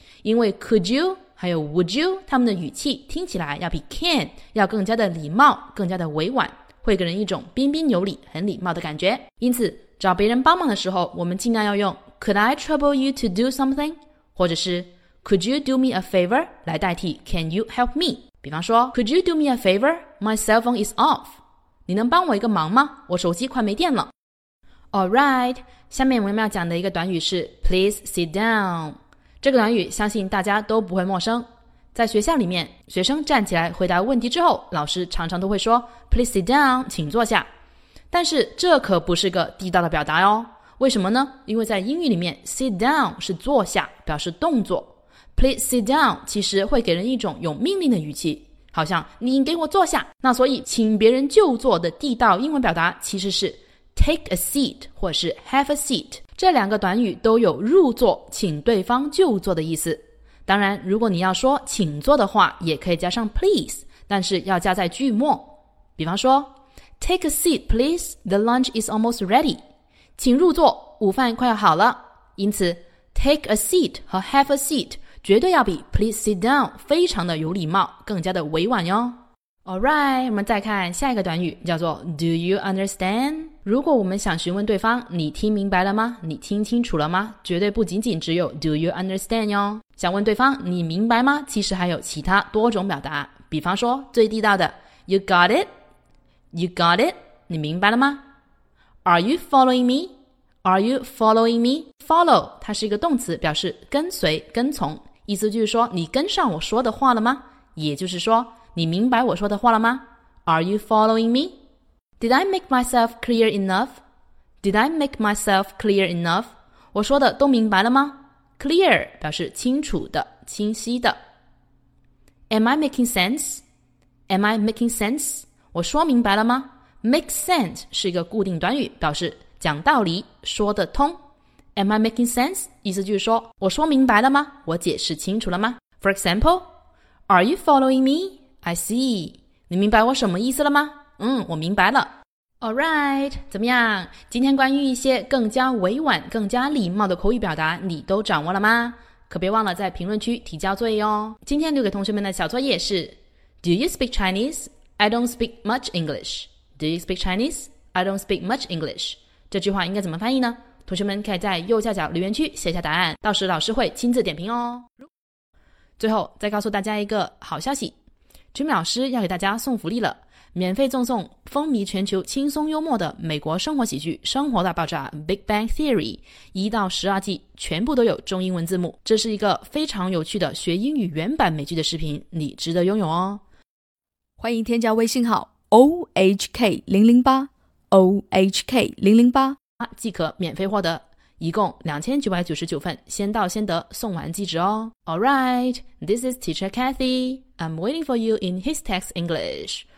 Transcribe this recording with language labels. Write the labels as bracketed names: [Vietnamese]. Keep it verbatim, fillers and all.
[Chinese] 因为 could you 还有 would you 他们的语气听起来要比 can 要更加的礼貌，更加的委婉，会给人一种彬彬有礼，很礼貌的感觉。因此找别人帮忙的时候，我们尽量要用 [English] Could I trouble you to do something? [Chinese] 或者是 [English] Could you do me a favor? [Chinese] 来代替 [English] Can you help me? 比方说 Could you do me a favor? My cell phone is off. [Chinese] 你能帮我一个忙吗？我手机快没电了。 Alright, 下面我们要讲的一个短语是 Please sit down。这个短语相信大家都不会陌生。在学校里面，学生站起来回答问题之后，老师常常都会说 [English] Please sit down, [Chinese] 请坐下。但是这可不是个地道的表达哦。为什么呢？因为在英语里面 sit down 是坐下，表示动作。 [English] Please sit down [Chinese] 其实会给人一种有命令的语气，好像你给我坐下。那所以请别人就坐的地道英文表达其实是 [English] take a seat [Chinese] 或是 [English] have a seat。 [Chinese] 这两个短语都有入座请对方就坐的意思。当然如果你要说请坐的话，也可以加上 please， 但是要加在句末。 [English] 比方说 Take a seat please, the lunch is almost ready。 [Chinese] 请入座，午饭快要好了。因此 [English] take a seat [Chinese] 和 [English] have a seat [Chinese] 绝对要比 [English] please sit down [Chinese] 非常的有礼貌，更加的委婉哟。 Alright, 我们再看下一个短语，叫做 [English] Do you understand? [Chinese] 如果我们想询问对方你听明白了吗？你听清楚了吗？绝对不仅仅只有 [English] Do you understand [Chinese] 哟。想问对方你明白吗？其实还有其他多种表达。比方说最地道的 [English] You got it? You got it? [Chinese] 你明白了吗？ [English] Are you following me? Are you following me? [Chinese] Follow 它是一个动词，表示跟随跟从。意思就是说你跟上我说的话了吗？也就是说你明白我说的话了吗？ [English] Are you following me? Did I make myself clear enough? Did I make myself clear enough? [Chinese] 我说的都明白了吗？ Clear 表示清楚的，清晰的。 [English] Am I making sense? Am I making sense? [Chinese] 我说明白了吗？ Make sense 是一个固定短语，表示讲道理，说得通。 [English] Am I making sense? [Chinese] 意思就是说我说明白了吗？我解释清楚了吗？ [English] For example, Are you following me? I see. [Chinese] 你明白我什么意思了吗？嗯，我明白了。 Alright, 怎么样？今天关于一些更加委婉更加礼貌的口语表达你都掌握了吗？可别忘了在评论区提交作业哦。今天留给同学们的小作业是 [English] Do you speak Chinese? I don't speak much English. Do you speak Chinese? I don't speak much English. [Chinese] 这句话应该怎么翻译呢？同学们可以在右下角留言区写下答案，到时老师会亲自点评哦。最后再告诉大家一个好消息， Jimmy 老师要给大家送福利了，免费赠送风靡全球轻松幽默的美国生活喜剧《生活大爆炸》 [English] Big Bang Theory [Chinese] 一到十二季全部都有中英文字幕，这是一个非常有趣的学英语原版美剧的视频，你值得拥有哦。欢迎添加微信号 O H K 零零八 O H K 零零八即可免费获得，一共两千九百九十九份，先到先得，送完即止哦。 [English] Alright, this is Teacher Cathy. I'm waiting for you in His Text English.